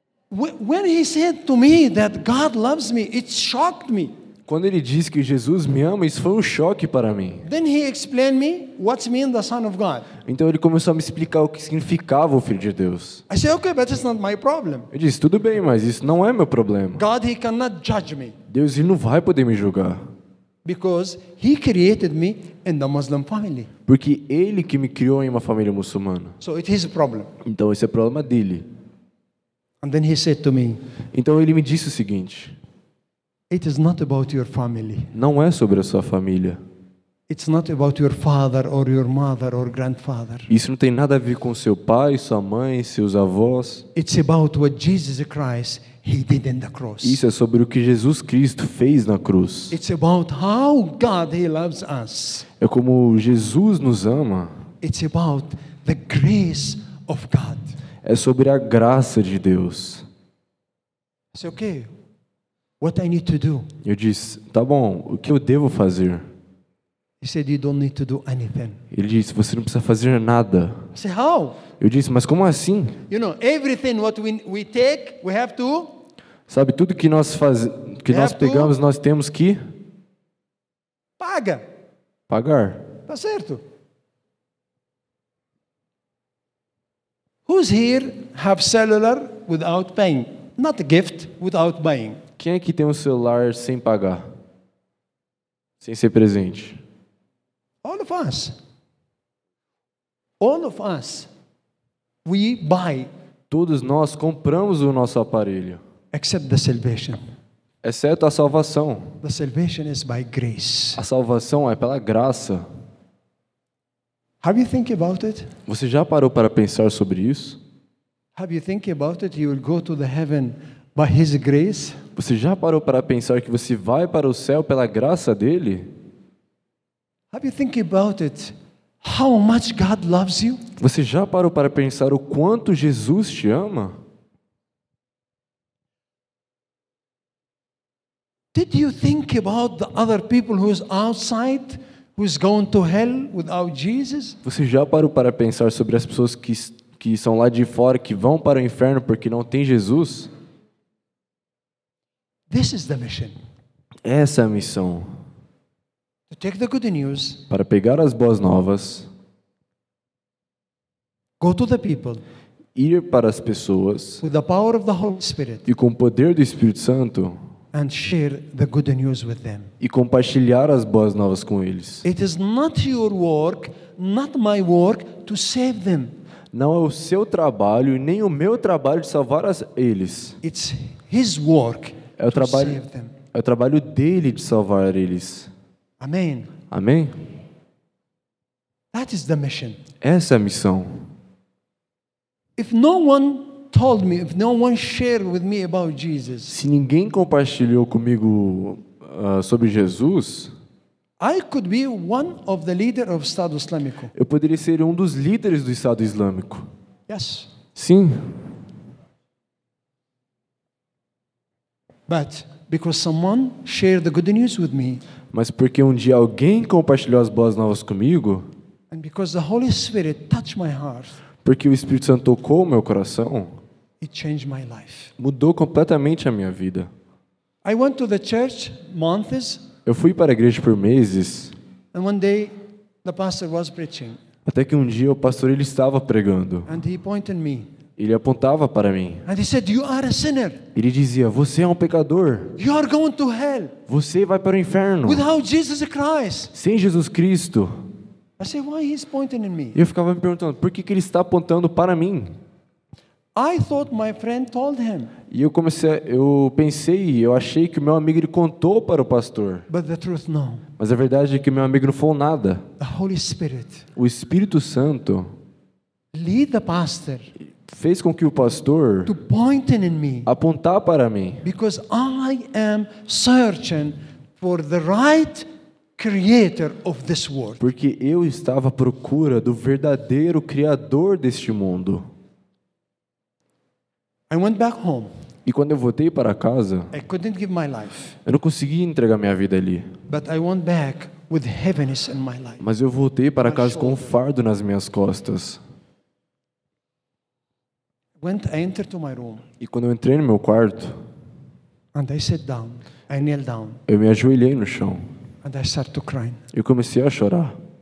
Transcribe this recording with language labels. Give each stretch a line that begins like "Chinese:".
English: When he said to me that God loves me, it shocked me.
Portuguese: Quando ele diz que Jesus me ama, isso foi um choque para mim.
English: Then he explained me what means the Son of God.
Portuguese: Então ele começou a me explicar o que significava o Filho de Deus.
English: I said, okay, but that's not my problem.
Portuguese: Eu disse, tudo bem, mas isso não é meu problema.
English: God, he cannot judge me.
Portuguese: Deus, ele não vai poder me julgar.
English: Because he created me in the Muslim family.
Portuguese: Porque ele que me criou em uma família muçulmana.
English: So it's his problem.
Portuguese: Então esse é o problema dele.
English: And then he said to me,
Portuguese: então ele me disse o seguinte.
English: It is not about your family.
Portuguese: Não é sobre a sua família.
English: It's not about your father or your mother or grandfather.
Portuguese: Isso não tem nada a ver com seu pai, sua mãe, seus avós.
English: It's about what Jesus Christ he did in the cross.
Portuguese: Isso é sobre o que Jesus Cristo fez na cruz.
English: It's about how God he loves us.
Portuguese: É como Jesus nos ama.
English: It's about the grace of God.
Portuguese: É sobre a graça de Deus.
English: So, okay. What I need to do?
Portuguese: Eu disse, tá bom, o que eu devo fazer?
English: He said, you don't need to do anything.
Portuguese: Ele disse, você não precisa fazer nada.
English: I said, how?
Portuguese: Eu disse, mas como assim?
English: You know, everything what we take, we have to.
Portuguese: Sabe, tudo que nós fazemos, que nós pegamos, nós temos que pagar. Tá certo?
English: Who's here have cellular without paying? Not a gift without buying.
Portuguese: Quem é que tem um celular sem pagar? Sem ser presente?
English: All of us. All of us. We buy.
Portuguese: Todos nós compramos o nosso aparelho.
English: Except the salvation.
Portuguese: Exceto a salvação.
English: The salvation is by grace.
Portuguese: A salvação é pela graça.
English: Have you think about it?
Portuguese: Você já parou para pensar sobre isso?
English: Have you think about it? You will go to the heaven by his grace.
Portuguese: Você já parou para pensar que você vai para o céu pela graça dele?
English: Have you think about it? How much God loves you?
Portuguese: Você já parou para pensar o quanto Jesus te ama?
English: Did you think about the other people who's outside who's going to hell without Jesus?
Portuguese: Você já parou para pensar sobre as pessoas que são lá de fora, que vão para o inferno porque não tem Jesus?
English: This is the mission.
Portuguese: Essa é a missão.
English: To take the good news.
Portuguese: Para pegar as boas novas.
English: Go to the people.
Portuguese: Ir para as pessoas.
English: With the power of the Holy Spirit.
Portuguese: E com o poder do Espírito Santo.
English: And share the good news with them.
Portuguese: E compartilhar as boas novas com eles.
English: It is not your work, not my work, to save them.
Portuguese: Não é o seu trabalho nem o meu trabalho de salvar eles.
English: It's his work.
Portuguese: É o trabalho. É o trabalho dele de salvar eles. Amém. Amém.
English: That is the mission.
Portuguese: Essa é a missão.
English: If no one told me, if no one shared with me about Jesus.
Portuguese: Se ninguém compartilhou comigo sobre Jesus,
English: I could be one of the leader of Estado Islâmico.
Portuguese: Eu poderia ser um dos líderes do Estado Islâmico.
English: Yes.
Portuguese: Sim.
English: But because someone shared the good news with me.
Portuguese: Mas porque um dia alguém compartilhou as boas novas comigo?
English: And because the Holy Spirit touched my heart.
Portuguese: Porque o Espírito Santo tocou o meu coração.
English: It changed my life.
Portuguese: Mudou completamente a minha vida.
English: I went to the church months.
Portuguese: Eu fui para a igreja por meses.
English: And one day the pastor was preaching.
Portuguese: Até que um dia o pastor ele estava pregando.
English: And he pointed me.
Portuguese: Ele apontava para mim.
English: And he said, you are a sinner.
Portuguese: Ele dizia, você é um pecador.
English: You are going to hell.
Portuguese: Você vai para o inferno.
English: Without Jesus Christ.
Portuguese: Sem Jesus Cristo.
English: I said, why he's pointing at me?
Portuguese: Eu ficava me perguntando, por que ele está apontando para mim?
English: I thought my friend told him.
Portuguese: E eu comecei, eu pensei, eu achei que o meu amigo ele contou para o pastor.
English: But the truth, no.
Portuguese: Mas a verdade é que o meu amigo não falou nada.
English: The Holy Spirit.
Portuguese: O Espírito Santo.
English: Lead the pastor.
Portuguese: Fez com que o pastor apontar para mim.
English: Because I am searching for the right creator of this world.
Portuguese: Porque eu estava à procura do verdadeiro criador deste mundo.
English: I went back home.
Portuguese: E quando eu voltei para casa,
English: I couldn't give my life.
Portuguese: Eu não consegui entregar minha vida ali.
English: But I went back with heaviness in my life.
Portuguese: Mas eu voltei para casa com um fardo nas minhas costas.
English: Went, I entered to my room.
Portuguese: E quando eu entrei no meu quarto,
English: and I sat down, I knelt down.
Portuguese: Eu me ajoelhei no chão.
English: And I started to cry.
Portuguese: Eu comecei a chorar.